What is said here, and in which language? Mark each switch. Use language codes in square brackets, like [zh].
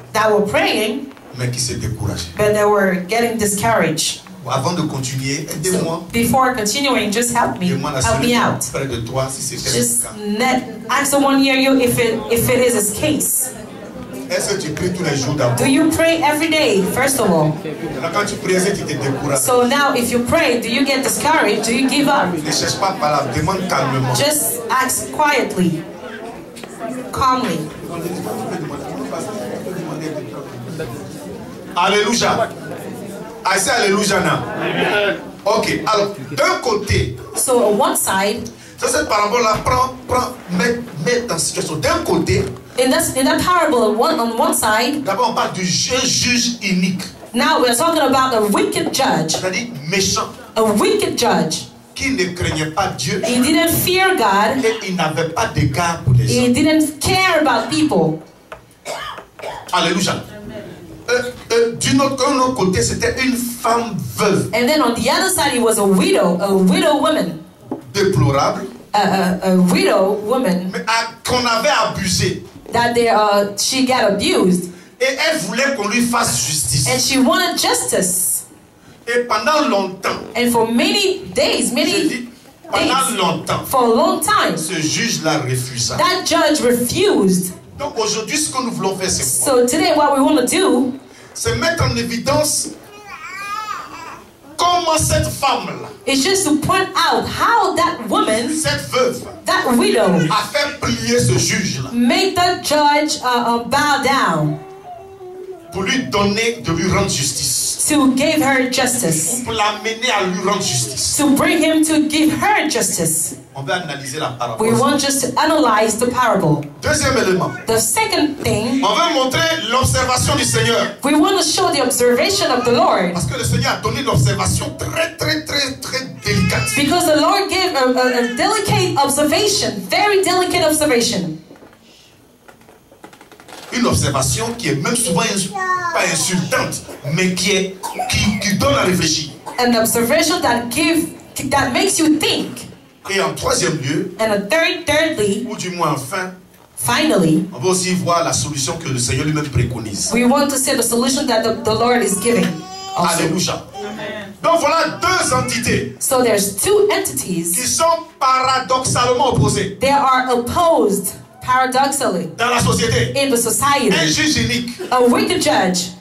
[en] That were praying. [fr] Mais qui se décourageaient. [en] But they were getting discouraged. [fr] Avant de continuer, aidez-moi. [en] So, before continuing, just help me. Help me out. [fr] Près de toi, si c'est [en] just net, ask someone near you if it is his case. [fr] Est-ce que tu pries tous les jours d'abord? [en] Do you pray every day, first of all? [fr] Alors quand tu pries, est-ce que tu te décourages? [en] So now, if you pray, do you get discouraged? Do you give up? [fr] Ne cherche pas par là, demande calmement. [en] Just ask quietly, calmly. Alléluia. I say alléluia now. [fr] Ok, alors d'un côté. [en] So on one side. [fr] Ça, cette parabole-là, met dans la situation d'un côté. [en] In that parable, on one side. [fr] D'abord, on parle du juge unique. [en] Now we are talking about a wicked judge. [fr] C'est-à-dire méchant. [en] A wicked judge. [fr] qui ne craignait pas Dieu. [en] He didn't fear God. [fr] Et il n'avait pas d'égard pour les gens. [en] He didn't care about people. [fr] Alléluia. D'un autre côté, c'était une femme veuve. [en] And then on the other side, it was a widow woman. [fr] Déplorable. [en] A widow woman. [fr] Mais qu'on avait abusé. [en] That they, she got abused. [fr] Et elle voulait qu'on lui fasse justice. [en] And she wanted justice. [fr] Et pendant longtemps. [en] And for many days, many [fr] pendant [en] days, [fr] longtemps. [en] For a long time. [fr] Ce juge la refusa. [en] That judge refused. [fr] Donc aujourd'hui, ce que nous voulons faire, c'est quoi? [en] So today, what we want to do, [fr] c'est mettre en évidence comment cette femme-là, [en] is just to point out how that woman, [fr] cette veuve, [en] that widow, [fr] a fait plier ce juge-là, [en] made the judge bow down, [fr] pour lui donner de lui rendre justice, [en] to give her justice, [fr] pour l'amener à lui rendre justice, [en] to bring him to give her justice. [fr] On veut analyser la parabole. [en] We want just to analyze the parable. [fr] Deuxième élément. [en] The second thing. [fr] On veut montrer l'observation du Seigneur. [en] We want to show the observation of the Lord. [fr] Parce que le Seigneur a donné l'observation très très très très délicate. [en] Because the Lord gave a delicate observation, very delicate observation. [fr] Une observation qui est même souvent pas insultante, mais qui donne à réfléchir. [en] An observation that give that makes you think. [fr] Et en troisième lieu, [en] thirdly, [fr] ou du moins enfin, [en] finally, [fr] on va aussi voir la solution que le Seigneur lui-même préconise. [en] We want to see the solution that the Lord is giving. [fr] Alléluia. Donc voilà deux entités. [en] So there's two entities [fr] qui sont paradoxalement opposées. [en] They are opposed paradoxically. [fr] Dans la société. [en] In the society. [fr] Un juge unique. [en] A wicked judge.